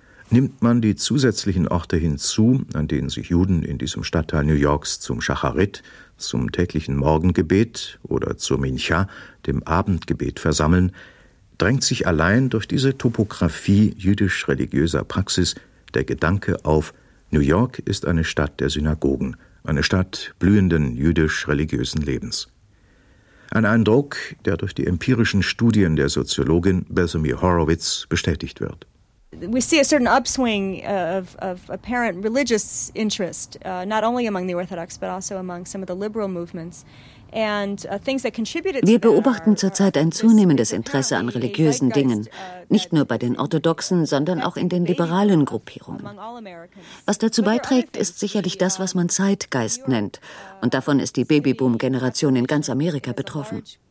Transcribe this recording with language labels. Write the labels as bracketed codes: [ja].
[de] Nimmt man die zusätzlichen Orte hinzu, an denen sich Juden in diesem Stadtteil New Yorks zum Schacharit, zum täglichen Morgengebet oder zur Mincha, dem Abendgebet, versammeln, drängt sich allein durch diese Topografie jüdisch-religiöser Praxis der Gedanke auf, New York ist eine Stadt der Synagogen, eine Stadt blühenden jüdisch-religiösen Lebens. Ein Eindruck, der durch die empirischen Studien der Soziologin Bethany Horowitz bestätigt wird. [en] We see a certain upswing of apparent religious interest, not only among the Orthodox, but also among some of the liberal movements. [de] Wir beobachten zurzeit ein zunehmendes Interesse an religiösen Dingen, nicht nur bei den Orthodoxen, sondern auch in den liberalen Gruppierungen. Was dazu beiträgt, ist sicherlich das, was man Zeitgeist nennt. Und davon ist die Babyboom-Generation in ganz Amerika betroffen.